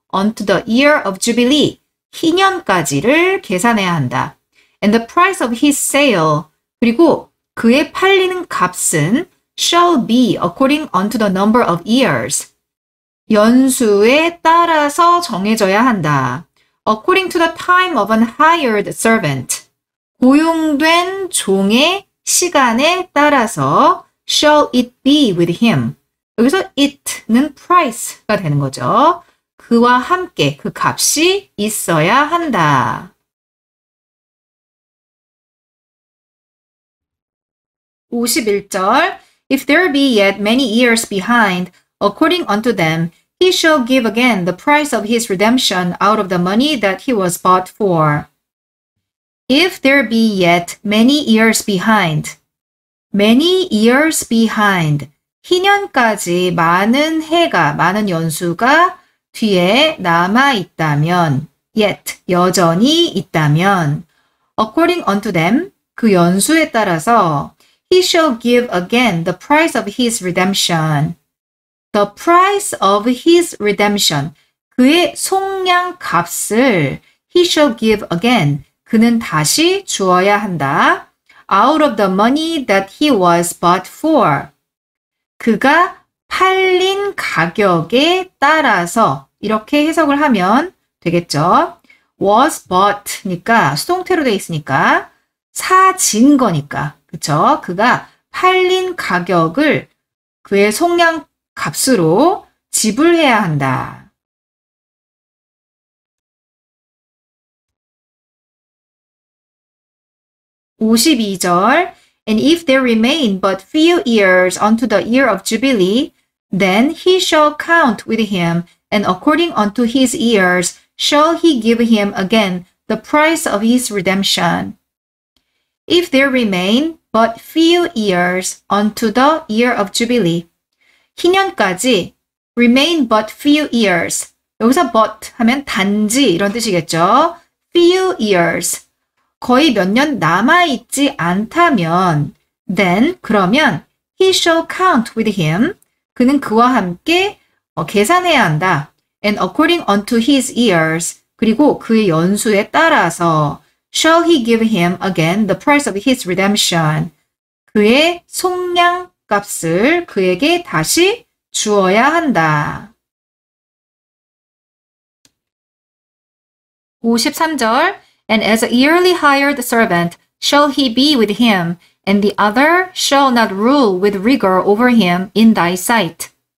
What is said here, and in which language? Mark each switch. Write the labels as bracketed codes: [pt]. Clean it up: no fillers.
[en] unto the year of Jubilee, [ko] 희년까지를 계산해야 한다. [en] And the price of his sale, [ko] 그리고 그의 팔리는 값은 [en] shall be according unto the number of years. [ko] 연수에 따라서 정해져야 한다. [en] According to the time of an hired servant. [ko] 고용된 종의 시간에 따라서 [en] shall it be with him. [ko] 여기서 it는 price가 되는 거죠. 그와 함께 그 값이 있어야 한다. [en] 51절 If there be yet many years behind, according unto them, He shall give again the price of his redemption out of the money that he was bought for. If there be yet many years behind. Many years behind. [ko] 희년까지 많은 해가, 많은 연수가 뒤에 남아 있다면, yet, 여전히 있다면, [en] according unto them, [ko] 그 연수에 따라서, [en] he shall give again the price of his redemption. The price of his redemption, [ko] 그의 속량 값을 [en] he shall give again, [ko] 그는 다시 주어야 한다. [en] Out of the money that he was bought for, [ko] 그가 팔린 가격에 따라서 이렇게 해석을 하면 되겠죠. [en] Was bought [ko] 니까 수동태로 되어 있으니까 사진 거니까 그쵸? 그가 팔린 가격을 그의 속량 값으로 지불해야 한다. [en] 52절 And if there remain but few years unto the year of Jubilee, then he shall count with him, and according unto his years shall he give him again the price of his redemption. If there remain but few years unto the year of Jubilee, 희년까지 remain but few years. [ko] 여기서 but 하면 단지 이런 뜻이겠죠. [en] few years. [ko] 거의 몇 년 남아있지 않다면 [en] then 그러면 he shall count with him. [ko] 그는 그와 함께 계산해야 한다. [en] and according unto his years. [ko] 그리고 그의 연수에 따라서 [en] shall he give him again the price of his redemption. [ko] 그의 속량 값을 그에게 다시 주어야 한다. [en] 53절 And as a yearly hired servant, shall he be with him, and the other shall not rule with rigor over him in thy sight.